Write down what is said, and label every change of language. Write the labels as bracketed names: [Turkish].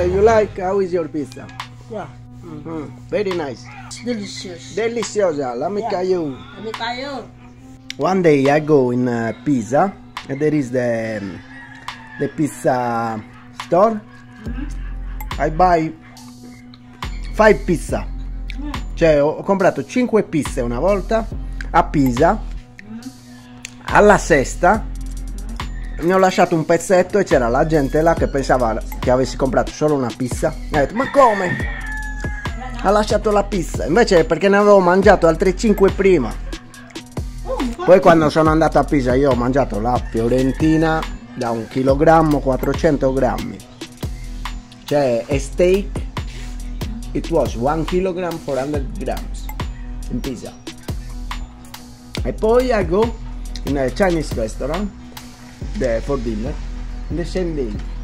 [English] You like? How is your pizza? Yeah. Mm-hmm. Very nice. It's delicious. Deliciosa. Let me tell you. One day I go in Pisa and there is the pizza store. Mm-hmm. I buy 5 pizza. Mm. [Italian] Cioè ho comprato 5 pizza una volta a Pisa. Mm. Alla sesta mi ho lasciato un pezzetto e c'era la gente là che pensava che avessi comprato solo una pizza. Mi ha detto, ma come? Ha lasciato la pizza. Invece perché ne avevo mangiato altre 5 prima. Poi quando sono andato a Pisa io ho mangiato la fiorentina da 1 kg, 400 grammi. Cioè, [English] a steak, it was 1 kg, 400 grams in Pisa. [Italian] E poi [English] I go in a Chinese restaurant. There for dinner, and the same thing.